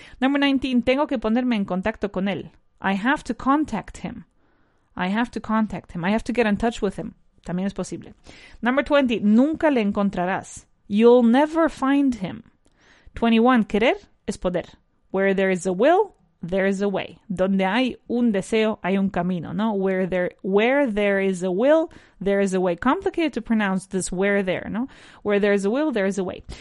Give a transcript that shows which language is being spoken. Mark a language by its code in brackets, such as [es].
[en] Number 19, [es] tengo que ponerme en contacto con él. [en] I have to contact him. I have to contact him. I have to get in touch with him. [es] También es posible. [en] Number 20, [es] nunca le encontrarás. [en] You'll never find him. 21, [es] querer es poder. [en] Where there is a will, there is a way. [es] Donde hay un deseo, hay un camino, ¿no? [en] Where there is a will, there is a way. Complicated to pronounce this where there, ¿no? Where there is a will, there is a way.